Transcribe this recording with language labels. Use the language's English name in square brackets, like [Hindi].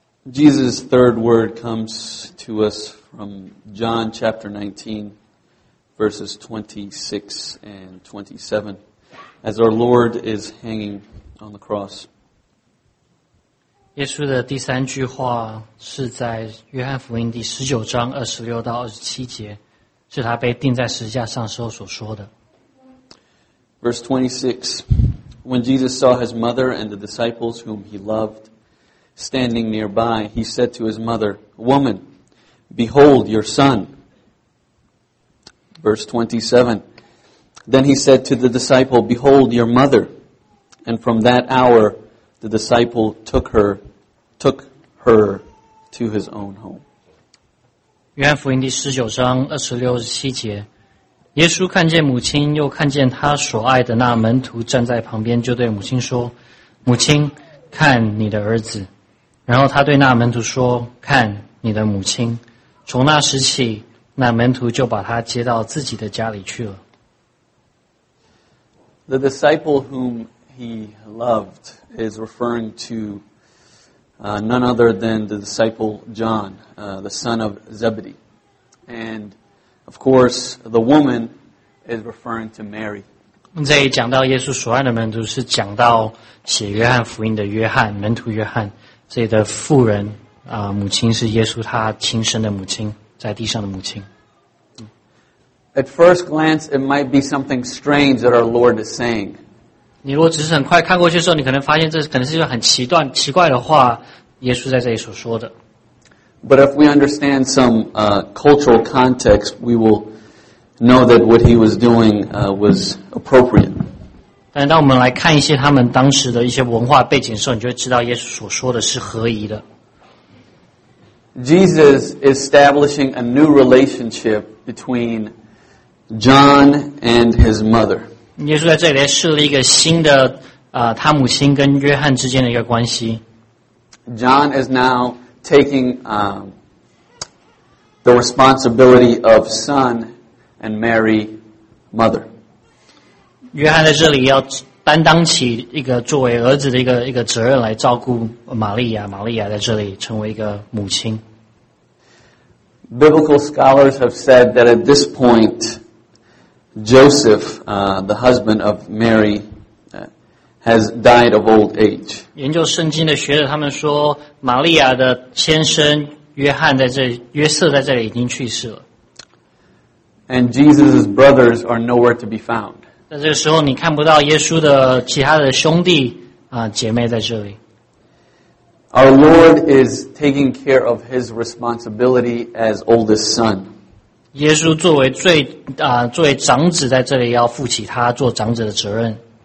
[English] Jesus' third word comes to us from John chapter 19, verses 26 and 27, as our Lord is hanging on the cross. [Chinese] 耶稣的第三句话是在约翰福音第十九章二十六到二十七节，是他被钉在十字架上时候所说的。 [English] Verse 26, when Jesus saw his mother and the disciples whom he loved standing nearby, he said to his mother, "Woman, behold your son." Verse 27, then he said to the disciple, "Behold your mother." And from that hour. The disciple took her to his own home. [Chinese] 约翰福音第十九章二十六、二十七节，耶稣看见母亲，又看见他所爱的那门徒站在旁边，就对母亲说：“母亲，看你的儿子。” 然后他对那门徒说：“看你的母亲。” 从那时起，那门徒就把他接到自己的家里去了。 [English] The disciple whom he loved. Is referring to none other than the disciple John, the son of Zebedee. And of course, the woman is referring to Mary. [Chinese] 这里讲到耶稣所爱的门徒是讲到写约翰福音的约翰，门徒约翰。这里的妇人，母亲是耶稣他亲生的母亲，在地上的母亲。 [English] At first glance, it might be something strange that our Lord is saying. [Chinese] 你如果只是很快看过去的时候，你可能发现这可能是一个很奇怪的话，耶稣在这里所说的。 [English] But if we understand some cultural context, we will know that what he was doing was appropriate. [Chinese] 但当我们来看一些他们当时的一些文化背景的时候，你就会知道耶稣所说的是合宜的。 [English] Jesus is establishing a new relationship between John and his mother. [Chinese] 耶稣在这里设立一个新的他母亲跟约翰之间的一个关系。 [English] John is now taking the responsibility of son and Mary, mother. [Chinese] 约翰在这里要担当起一个作为儿子的一个责任来照顾玛利亚，玛利亚在这里成为一个母亲。 [English] Biblical scholars have said that at this point,Joseph, the husband of Mary, has died of old age. [Chinese] 研究圣经的学者他们说，玛利亚的先生约翰在这里，约瑟在这里已经去世了。 [English] And Jesus' brothers are nowhere to be found. [Chinese] 在这个时候，你看不到耶稣的其他的兄弟姐妹在这里。 [English] Our Lord is taking care of His responsibility as oldest son. [Chinese] 耶稣作为最作为长子在这里要负起他做长子的责任。